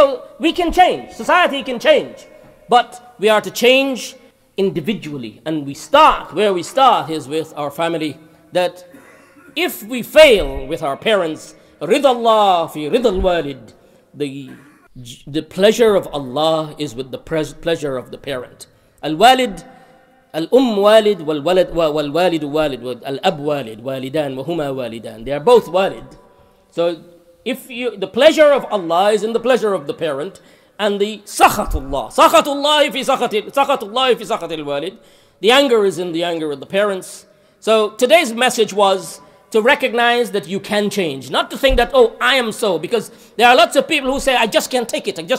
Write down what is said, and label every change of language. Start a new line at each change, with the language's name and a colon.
English: So we can change, society can change, but we are to change individually. And we start, where we start is with our family, that if we fail with our parents,
Arabic: رِضَ اللَّهِ فِي رِضَ الْوَالِدِ,
English: the pleasure of Allah is with the pleasure of the parent.
Arabic: الْوَالِدِ الأم والد والولد والوالد والد والأب والد والدان وهما والدان.
English: They are both والد. So if you, the pleasure of Allah is in the pleasure of the parent, and the sakhatullah,
Arabic: sakhatullah fi sakhatil walid,
English: the anger is in the anger of the parents. So today's message was to recognize that you can change, not to think that, oh, I am so, because there are lots of people who say, I just can't take it.